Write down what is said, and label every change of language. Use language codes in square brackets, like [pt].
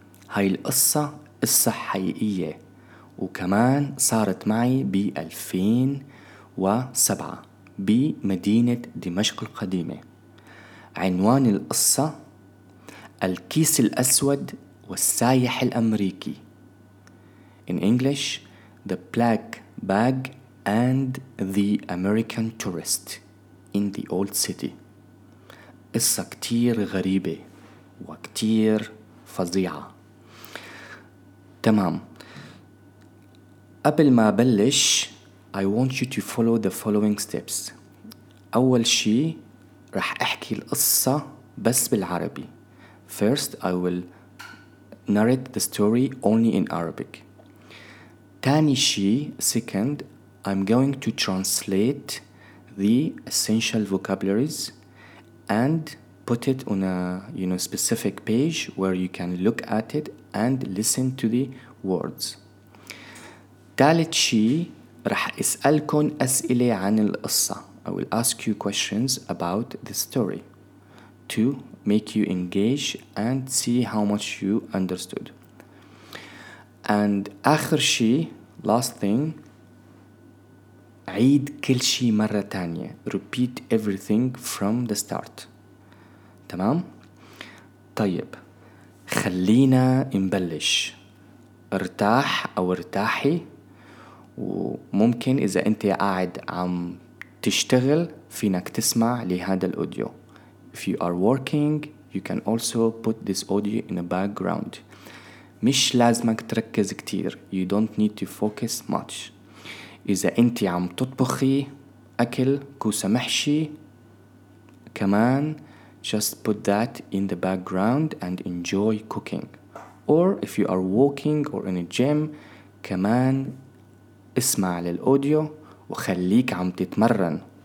[ar] هاي القصة قصة حقيقية وكمان صارت معي ب 2007 بمدينة دمشق القديمة. عنوان القصة: الكيس الأسود والسايح الأمريكي. [en] In English, the black bag and the American tourist in the old city. [ar] قصة كتير غريبة وكتير فظيعة. تمام. قبل ما بلش, [en] I want you to follow the following steps. [ar] أول شيء رح أحكي القصة بس بالعربي. [en] First, I will narrate the story only in Arabic. [ar] تاني شيء, [en] second, I'm going to translate the essential vocabularies and put it on a specific page where you can look at it and listen to the words. [ar] تالت شيء رح أسألكن أسئلة عن القصة. [en] I will ask you questions about the story to make you engage and see how much you understood. And [ar] آخر شيء, [en] last thing, [ar] عيد كل شيء مرة تانية. [en] Repeat everything from the start. [ar] تمام؟ طيب, خلينا نبلش. ارتاح أو ارتاحي, وممكن إذا أنت قاعد عم تشتغل فينك تسمع لهذا الأوديو. [en] If you are working, you can also put this audio in the background. [ar] مش لازمك تركز كتير. [en] You don't need to focus much. [ar] إذا أنت عم تطبخي أكل كوسة محشي, كمان [en] just put that in the background and enjoy cooking. Or if you are walking or in a gym, [ar] كمان اسمع للأوديو وخليك عم تتمرن.